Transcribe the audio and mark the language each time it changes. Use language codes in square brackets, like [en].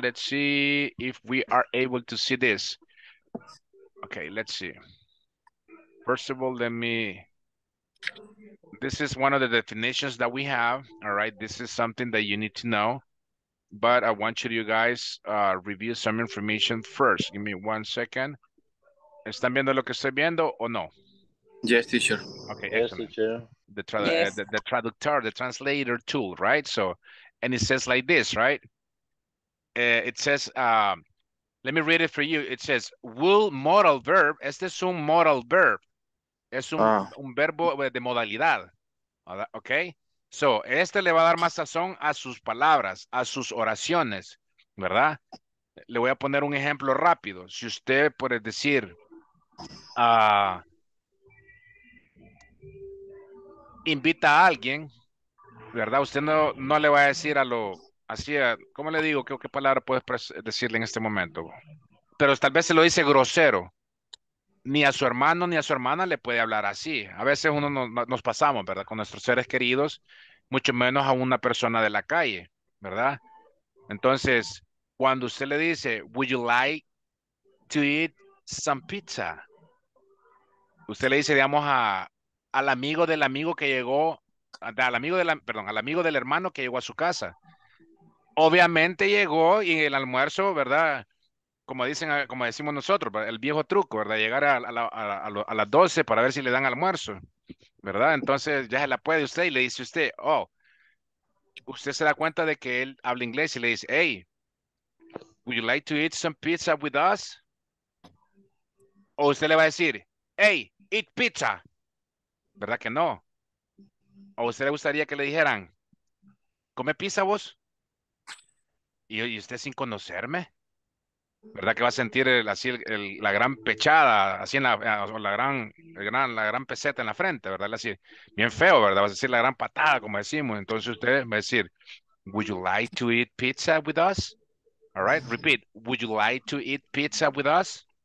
[en] Let's see if we are able to see this. Okay, let's see. First of all, let me... This is one of the definitions that we have, all right? This is something that you need to know, but I want you guys review some information first. Give me 1 second. [es] ¿Están viendo lo que estoy viendo o no? [en] Yes, teacher. Okay, yes, excellent. Teacher. The traductor, the translator tool, right? So, and it says like this, right? It says, let me read it for you. It says, will modal verb, [es] este es un modal verb. Es un verbo de modalidad, ¿ok? So, este le va a dar más sazón a sus palabras, a sus oraciones, ¿verdad? Le voy a poner un ejemplo rápido. Si usted puede decir, invita a alguien, ¿verdad? Usted no le va a decir a lo, así, ¿cómo le digo? ¿Qué palabra puedes decirle en este momento? Pero tal vez se lo dice grosero. Ni a su hermano ni a su hermana le puede hablar así. A veces uno nos pasamos, ¿verdad? Con nuestros seres queridos, mucho menos a una persona de la calle, ¿verdad? Entonces, cuando usted le dice, [en] would you like to eat some pizza? [es] Usted le dice, digamos, al amigo del hermano que llegó a su casa. Obviamente llegó y el almuerzo, ¿verdad? Como decimos nosotros, el viejo truco, ¿verdad? Llegar a las 12 para ver si le dan almuerzo, ¿verdad? Entonces ya se la puede usted y le dice usted, oh, usted se da cuenta de que él habla inglés y le dice, [en] hey, would you like to eat some pizza with us? [es] O usted le va a decir, [en] hey, eat pizza, [es] ¿verdad que no? O usted le gustaría que le dijeran, ¿come pizza vos? Y usted sin conocerme. ¿Verdad que va a sentir la gran pechada, así en la gran peseta en la frente, ¿verdad? Así, bien feo, ¿verdad? Va a decir la gran patada, como decimos. Entonces usted va a decir, [en] would you like to eat pizza with us? All right, repeat. Would you like to eat pizza with us?